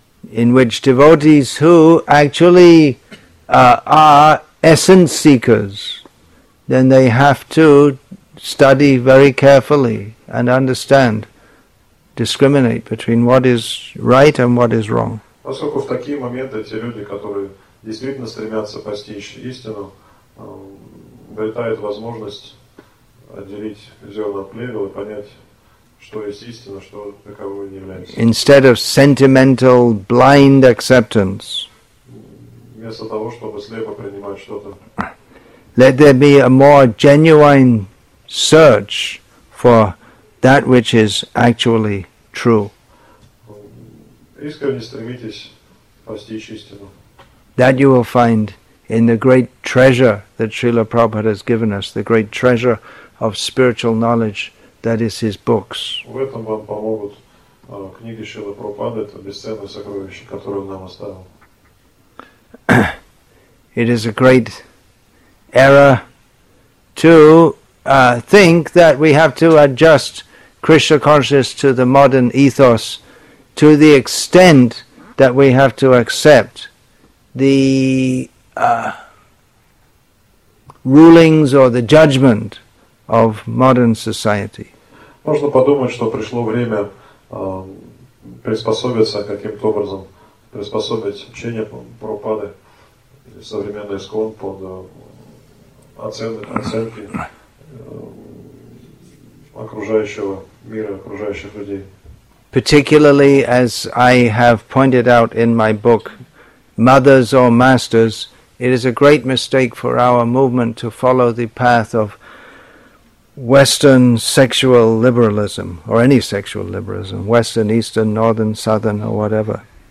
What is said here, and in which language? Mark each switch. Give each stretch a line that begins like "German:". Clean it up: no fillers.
English: In which devotees who actually are essence seekers, then they have to study very carefully and understand, discriminate between what is right and what is wrong.
Russian: Поскольку в такие моменты те люди, которые действительно стремятся постичь истину, обретают возможность отделить зерна от плевел и понять, что есть истина, что таковой не является.
English: Instead of sentimental blind acceptance,
Russian: вместо того, чтобы слепо принимать что-то,
English: let there be a more genuine search for that which is actually true.
Russian: Искренне стремитесь постичь истину.
English: That you will find in the great treasure that Srila Prabhupada has given us, the great treasure of spiritual knowledge that is his books.
Russian: В этом вам помогут книги Шрилы Прабхупады, это бесценное сокровище, которое он нам оставил.
English: It is a great error to think that we have to adjust Krishna consciousness to the modern ethos to the extent that we have to accept the rulings or the judgment of modern society.
Russian: Можно подумать, что пришло время приспособиться каким-то образом, приспособить учение Прабхупады или современный искон под оценки окружающего мира, окружающих людей.
English: Particularly as I have pointed out in my book, Mothers or Masters, it is a great mistake for our movement to follow the path of Western sexual liberalism, or any sexual liberalism, Western, Eastern, Northern, Southern, or whatever.